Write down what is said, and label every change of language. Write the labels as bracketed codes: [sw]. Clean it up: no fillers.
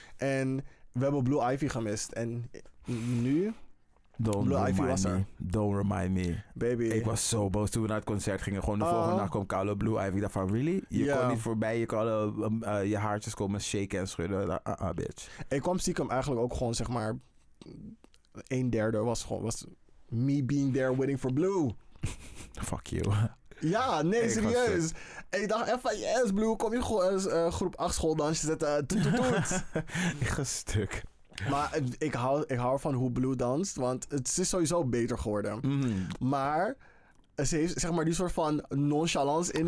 [nl] En we hebben Blue Ivy gemist. En nu... [en] Don't remind me. Baby. [nl] Ik was zo boos toen we naar het concert gingen. Gewoon de volgende nacht kwam Carlo Blue Ivy. Ik dacht van, really? Je kon niet voorbij. Je kon je haartjes komen shaken en schudden. [en] Bitch. [nl] Ik kwam stiekem eigenlijk ook gewoon, zeg maar... [en] 1/3 was me being there waiting for Blue. Fuck you. [nl] Ja, nee, serieus. Ik dacht even van, yes, Blue. Kom je gewoon eens groep 8 schooldansje zetten. Ik ga stuk. Maar ik hou van hoe Blue danst, want het is sowieso beter geworden. Mm-hmm. Maar ze heeft zeg maar die soort van nonchalance in